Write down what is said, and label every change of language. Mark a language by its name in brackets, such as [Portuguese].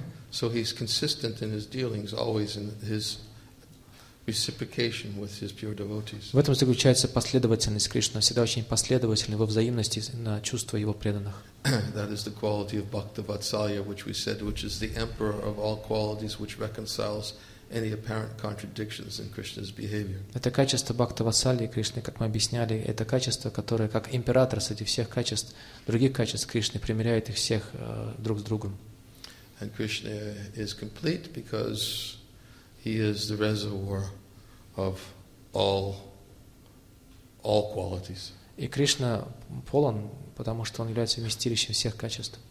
[English] So he's consistent in his dealings, always in his reciprocation with his pure devotees. [Russian] В этом заключается последовательность Кришны. Он всегда очень последовательный во взаимности на чувства его преданных. [English] That is the quality of Bhakta Vatsalya, which we said, which is the emperor of all qualities, which reconciles any apparent contradictions in Krishna's behavior. [Russian] Это качество Бхакта Ватсальи Кришны, как мы объясняли, это качество, которое как император среди всех качеств, других качеств Кришны примиряет их всех друг с другом. [English] And Krishna is complete because He is the reservoir of all qualities. [Russian] И Кришна полон, потому что он является вместилищем всех качеств.